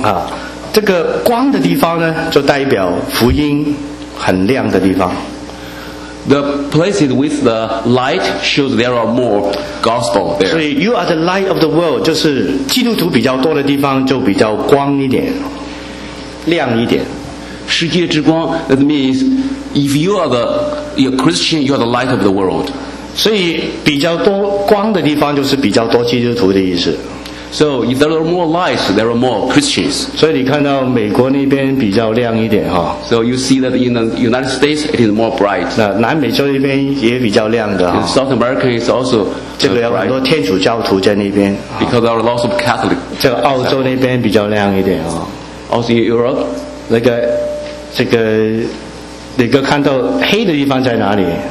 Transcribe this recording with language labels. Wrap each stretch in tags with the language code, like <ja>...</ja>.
<zh>啊、这个光的地方呢就代表福音很亮的地方。</zh> <en>The places with the light shows there are more gospel there.</en> <zh>所以</zh> <en>You are the light of the world</en> <zh>就是基督徒比较多的地方就比较光一点亮一点。世界之光</zh> <en>That means if you are theYou're Christian, you're the light of the world.</en> <zh>所以比较多光的地方就是比较多基督徒的意思。</zh> <en>So if there are more lights, there are more Christians.</en> <zh>所以你看到美国那边比较亮一点、哦、</zh> <en>So you see that in the United States, it is more bright.</en> <zh>那南美洲那边也比较亮的、哦、</zh> <en>In South America, it's also bright.</en> <zh>这个有很多天主教徒在那边。</zh> <en>Because there are lots of Catholics.</en> <zh>这个澳洲那边比较亮一点、哦、</zh> <en>Also in Europe?</en> <zh>那个这个你看到黑的地方在哪里</zh>